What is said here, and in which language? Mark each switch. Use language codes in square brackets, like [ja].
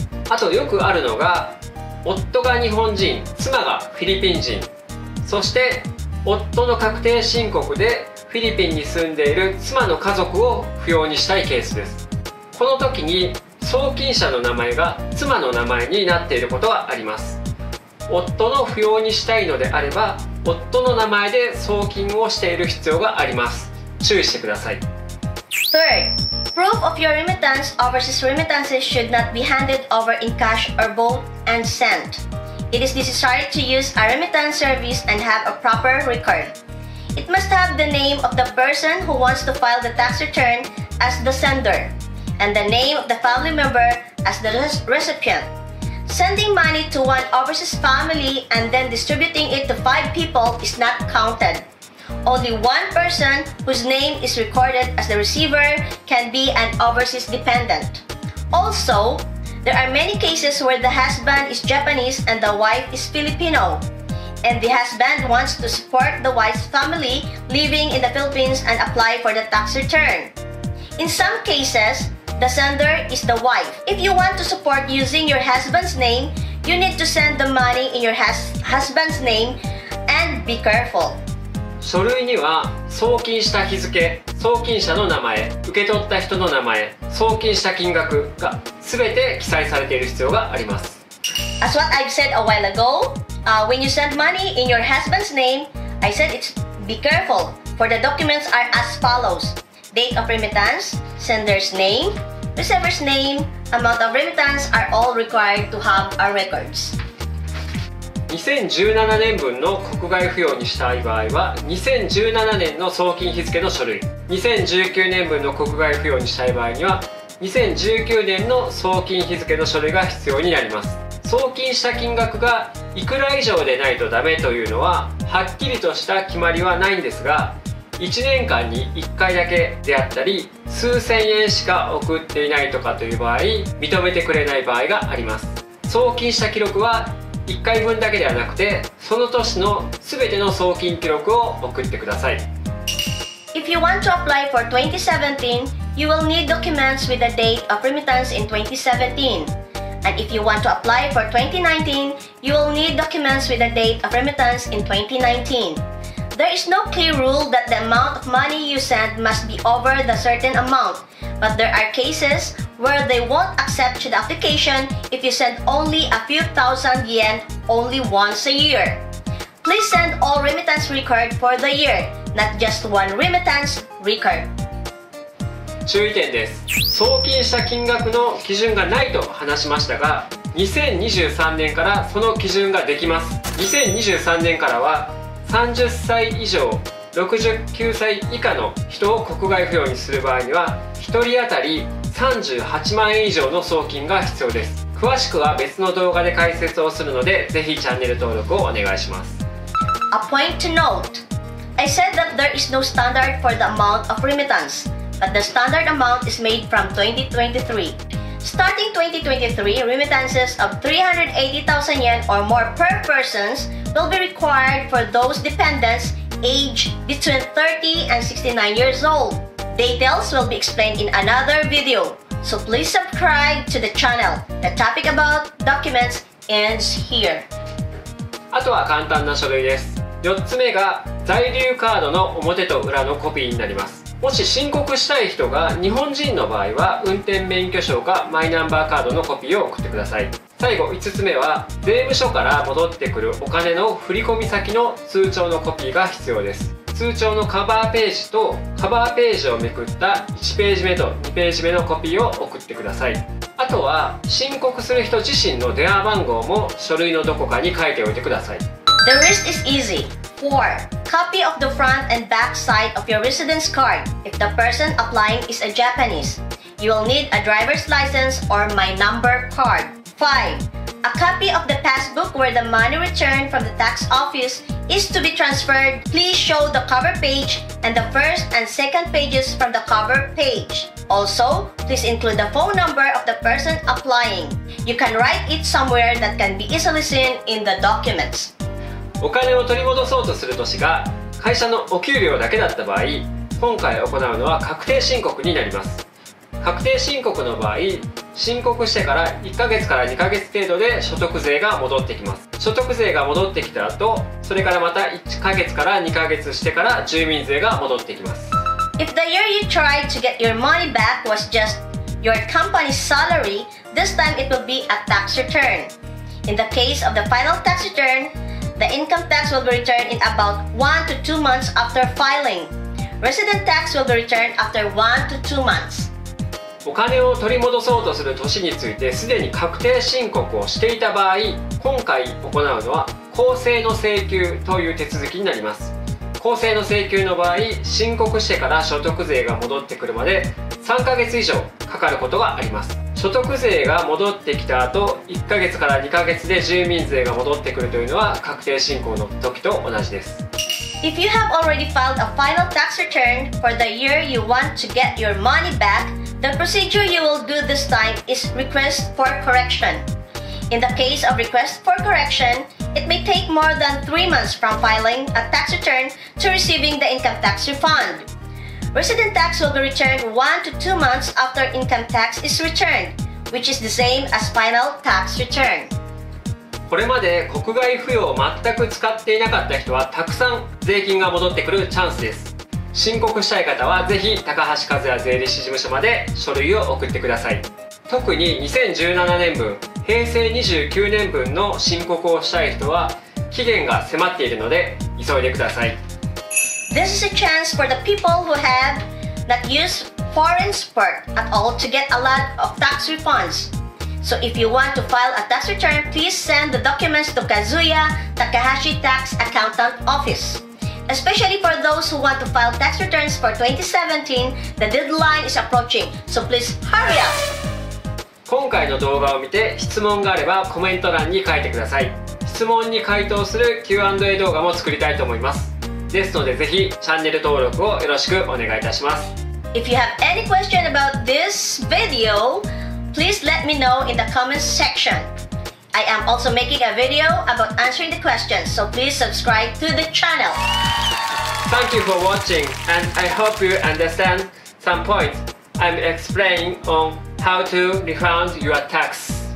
[ja] あとよくあるのが、夫が日本人、妻がフィリピン人、そして夫の確定申告でフィリピンに住んでいる妻の家族を扶養にしたいケースです。この時に送金者の名前が妻の名前になっていることはあります。夫の扶養にしたいのであれば夫の名前で送金をしている必要があります。注意してください。 [en] Third, proof of your remittance overseas remittances should not be handed over in cash or bought and sentIt is necessary to use a remittance service and have a proper record. It must have the name of the person who wants to file the tax return as the sender and the name of the family member as the recipient. Sending money to one overseas family and then distributing it to 5 people is not counted. Only one person whose name is recorded as the receiver can be an overseas dependent. Also,There are many cases where the husband is Japanese and the wife is Filipino, and the husband wants to support the wife's family living in the Philippines and apply for the tax return. In some cases, the sender is the wife. If you want to support using your husband's name, you need to send the money in your husband's name and be careful. [ja] 書類には送金した日付、送金者の名前、受け取った人の名前、送金した金額が全て記載されている必要があります。 [en] As what I've said a while ago, when you send money in your husband's name, I said it's be careful, for the documents are as follows: date of remittance, sender's name, receiver's name, amount of remittance are all required to have our records. [ja] 2017年分の国外扶養にしたい場合は2017年の送金日付の書類、2019年分の国外扶養にしたい場合には2019年の送金日付の書類が必要になります。送金した金額がいくら以上でないとダメというのははっきりとした決まりはないんですが、1年間に1回だけであったり数千円しか送っていないとかという場合、認めてくれない場合があります。送金した記録は1回分だけではなくてその年の全ての送金記録を送ってください。 [en] If you want to apply for 2017, you will need documents with the date of remittance in 2017. And if you want to apply for 2019, you will need documents with the date of remittance in 2019. There is no clear rule that the amount of money you send must be over the certain amount, but there are cases where they won't accept the application if you send only a few thousand yen only once a year. Please send all remittance records for the year. Not just one remittance record. [ja] 注意点です。送金した金額の基準がないと話しましたが、2023年からその基準ができます。 2023年からは30歳以上69歳以下の人を国外扶養にする場合には1人当たり38万円以上の送金が必要です。詳しくは別の動画で解説をするので、ぜひチャンネル登録をお願いします。 [en] A point to note. I said that there is no standard for the amount of remittance, but the standard amount is made from 2023. Starting 2023, remittances of 380,000 yen or more per person will be required for those dependents aged between 30 and 69 years old. Details will be explained in another video, so please subscribe to the channel. The topic about documents ends here. [ja] あとは簡単な書類です。4つ目が在留カードの表と裏のコピーになります。もし申告したい人が日本人の場合は運転免許証かマイナンバーカードのコピーを送ってください。最後5つ目は税務署から戻ってくるお金の振込先の通帳のコピーが必要です。通帳のカバーページとカバーページをめくった1ページ目と2ページ目のコピーを送ってください。あとは申告する人自身の電話番号も書類のどこかに書いておいてください。 [en] The rest is easy. 4. Copy of the front and back side of your residence card. If the person applying is a Japanese, you will need a driver's license or my number card. 5. A copy of the passbook where the money returned from the tax office is to be transferred. Please show the cover page and the first and second pages from the cover page. Also, please include the phone number of the person applying. You can write it somewhere that can be easily seen in the documents. [ja] お金を取り戻そうとする年が会社のお給料だけだった場合、今回行うのは確定申告になります。確定申告の場合、申告してから1ヶ月から2ヶ月程度で所得税が戻ってきます。所得税が戻ってきた後、それからまた1ヶ月から2ヶ月してから住民税が戻ってきます。 [en] If the year you tried to get your money back was just your company's salary, this time it will be a tax return. In the case of the final tax return, the income tax will be returned in about 1 to 2 months after filing. Resident tax will be returned after 1 to 2 months. [ja] お金を取り戻そうとする年についてすでに確定申告をしていた場合、今回行うのは公正の請求という手続きになります。公正の請求の場合、申告してから所得税が戻ってくるまで3ヶ月以上かかることがあります。所得税が戻ってきた後、1ヶ月から2ヶ月で住民税が戻ってくるというのは確定申告の時と同じです。 [en] If you have already filed a final tax return for the year you want to get your money back, the procedure you will do this time is request for correction. In the case of request for correctionIt may take more than 3 months from filing a tax return to receiving the income tax refund. Resident tax will be returned 1 to 2 months after income tax is returned, which is the same as final tax return. [ja] これまで国外扶養を全く使っていなかった人はたくさん税金が戻ってくるチャンスです。申告したい方はぜひ高橋和也税理士事務所まで書類を送ってください。特に2017年分、平成29年分の申告をしたい人は期限が迫っているので急いでください。 [en] This is a chance for the people who have not used foreign support at all to get a lot of tax refunds. So if you want to file a tax return, please send the documents to Kazuya Takahashi Tax Accountant Office. Especially for those who want to file tax returns for 2017, the deadline is approaching, so please hurry up! [ja] 今回の動画を見て質問があればコメント欄に書いてください。質問に回答する Q&A 動画も作りたいと思います。ですのでぜひチャンネル登録をよろしくお願いいたします。 [en] If you have any question about this video, please let me know in the comments section. I am also making a video about answering the questions, so please subscribe to the channel. Thank you for watching and I hope you understand some points I'm explaining onHow to refund your tax.